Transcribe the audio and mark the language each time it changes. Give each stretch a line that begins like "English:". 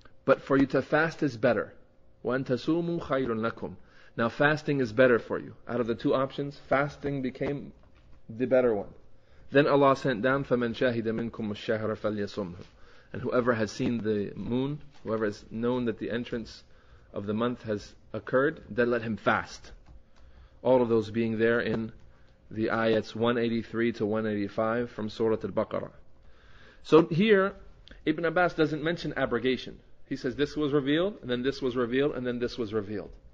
English: But for you to fast is better.
Arabic: وَأَنْ تَسُومُوا خَيْرٌ لَكُمْ.
English: Now fasting is better for you. Out of the two options, fasting became the better one. Then Allah sent down,
Arabic: فَمَنْ شَهِدَ مِنْكُمْ الشَّهْرَ فَلْيَصُمْهُ.
English: And whoever has seen the moon, whoever has known that the entrance of the month has occurred, then let him fast. All of those being there in the ayats 183 to 185 from Surah Al-Baqarah. So here, Ibn Abbas doesn't mention abrogation. He says this was revealed, and then this was revealed, and then this was revealed.